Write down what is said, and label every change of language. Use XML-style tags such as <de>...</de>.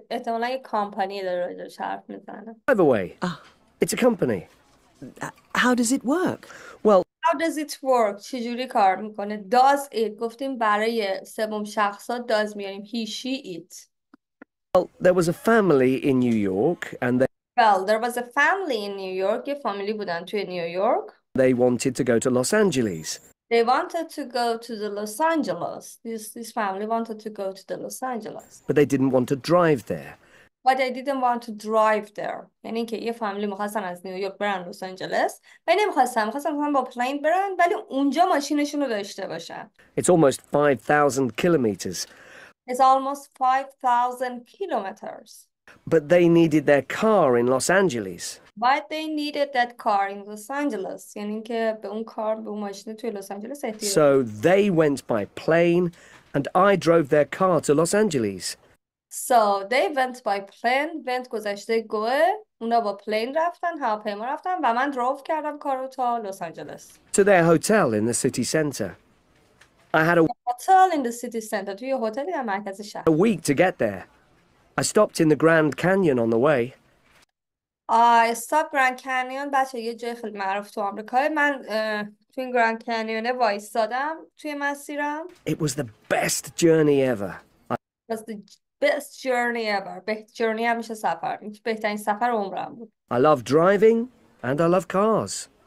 <fa>احتمالا یه کمپانی داره رو حرف میزنه.</fa> <en>Drive away. It's a company. How does it work? Well, how does it work?</en> <fa>چجوری کار میکنه?</fa> <en>Does it?</en> <fa>گفتیم برای سوم شخصا does میاریم.</fa> <en>He, she, it. Well, there was a family in New York and they... Well, there was a family in New York.</en> <fa>یه فامیلی بودن توی New York.</fa> <en>They wanted to go to Los Angeles. They wanted to go to the Los Angeles. This family wanted to go to the Los Angeles. But they didn't want to drive there. But they didn't want to drive there.</en> <fa>یعنی که یه فامیلی میخواستن از نیویورک برن لس آنجلس. و نمیخواستن. میخواستن با پلین برن. ولی اونجا ماشینشون رو داشته باشن.</fa> <en>It's almost 5,000 kilometers. It's almost 5,000 kilometers. But they needed their car in Los Angeles. But they needed that car in Los Angeles.</en> <fa>یعنی که به اون کار به اون ماشین توی لس آنجلس احتیاج.</fa> <en>So they went by plane and I drove their car to Los Angeles. So they went by plane, went</en> <fa>گذشته گوه. اونا با پلین رفتن، هواپیما رفتن و من درایو کردم کارو تا لس آنجلس.</fa> <en>To their hotel in the city center. I had a hotel in the city center.</en> <fa>توی هتلی در مرکز شهر.</fa> <en>A week to get there. I stopped in the Grand Canyon on the way. I stopped Grand Canyon.</en> <fa>بچه یه جای خیلی معروف تو آمریکا. من توی Grand Canyon وایستادم توی مسیرم.</fa> <en>It was the best journey ever. Best journey ever. Best journey</en> <fa>همیشه سفر. بهترین سفر عمرم بود.</fa> <en>I love driving and I love cars.</en>